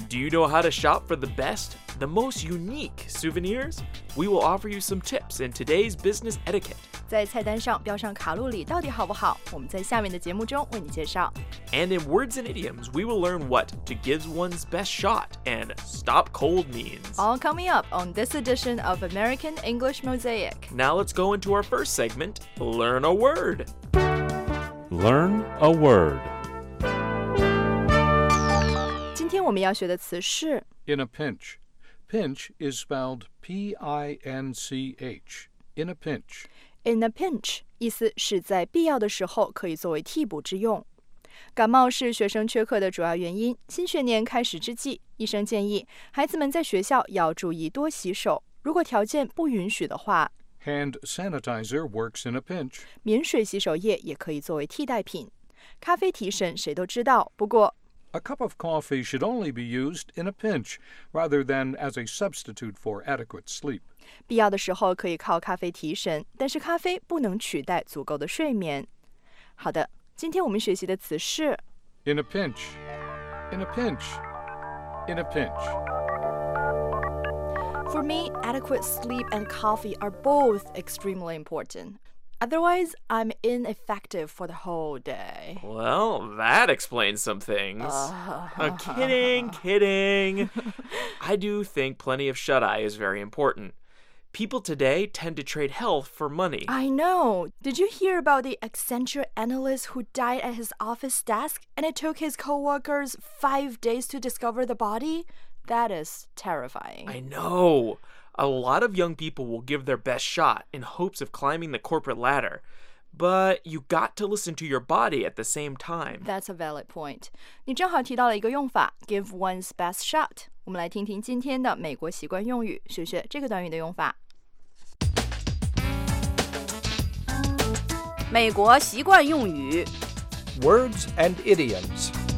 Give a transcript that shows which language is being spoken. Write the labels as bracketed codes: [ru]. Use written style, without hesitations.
[en] Do you know how to shop for the best, the most unique souvenirs? We will offer you some tips in today's business etiquette. [zh] 在菜单上标上卡路里到底好不好？我们在下面的节目中为你介绍。 [en] And in words and idioms, we will learn what to give one's best shot and stop cold means. All coming up on this edition of American English Mosaic. Now let's go into our first segment, Learn a Word. Learn a word. [zh] 今天我们要学的词是 [en] In a pinch. Pinch is spelled P-I-N-C-H. In a pinch. [zh] In a pinch, 意思是在必要的时候可以作为替补之用。感冒是学生缺课的主要原因。新学年开始之际，医生建议孩子们在学校要注意多洗手。如果条件不允许的话， [en] Hand sanitizer works in a pinch. [zh] 免水洗手液也可以作为替代品。咖啡提神谁都知道，不过 [en] A cup of coffee should only be used in a pinch, rather than as a substitute for adequate sleep. [zh] 必要的时候可以靠咖啡提神，但是咖啡不能取代足够的睡眠。好的，今天我们学习的词是 [en] In a pinch, in a pinch, in a pinch. For me, adequate sleep and coffee are both extremely important. Otherwise, I'm ineffective for the whole day. Well, that explains some things. kidding. I do think plenty of shut-eye is very important. People today tend to trade health for money. I know. Did you hear about the Accenture analyst who died at his office desk and it took his coworkers 5 days to discover the body? That is terrifying. I know. A lot of young people will give their best shot in hopes of climbing the corporate ladder. But you got to listen to your body at the same time. That's a valid point. [zh] 你正好提到了一个用法 [en] give one's best shot. [zh] 我们来听听今天的美国习惯用语，学学这个短语的用法。美国习惯用语 [en] Words and idioms.